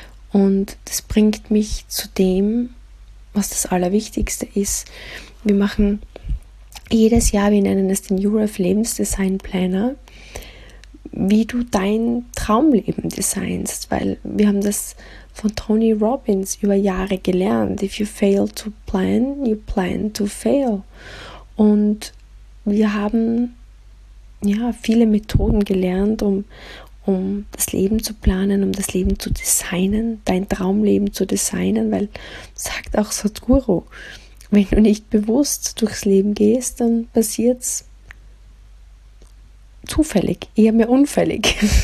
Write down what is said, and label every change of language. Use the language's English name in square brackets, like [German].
[German] Und das bringt mich zu dem, was das Allerwichtigste ist. Wir machen jedes Jahr, wir nennen es den Euref Lebensdesign Planner, wie du dein Traumleben designst, weil wir haben das von Tony Robbins über Jahre gelernt. [English] If you fail to plan, you plan to fail. [German] Und wir haben ja viele Methoden gelernt, um das Leben zu planen, um das Leben zu designen, dein Traumleben zu designen, weil, sagt auch Sadhguru, wenn du nicht bewusst durchs Leben gehst, dann passiert es zufällig, eher mehr unfällig.